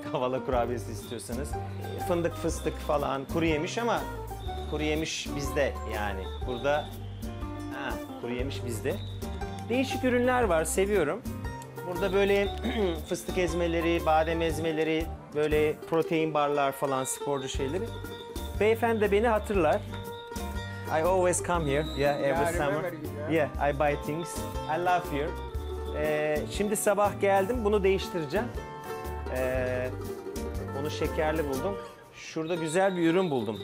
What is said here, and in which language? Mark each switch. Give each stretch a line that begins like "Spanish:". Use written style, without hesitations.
Turkish: Kavala kurabiyesi istiyorsanız. Fındık fıstık falan, kuru yemiş ama kuru yemiş bizde yani. Burada kuru yemiş bizde. Değişik ürünler var, seviyorum. Burada böyle fıstık ezmeleri, badem ezmeleri, böyle protein barlar falan, sporcu şeyleri. Beyefendi de beni hatırlar.
English: I always come here. Yeah, every summer. Yeah, I buy things. I love here.
Turkish: Şimdi sabah geldim, bunu değiştireceğim. Onu şekerli buldum. Şurada güzel bir ürün buldum.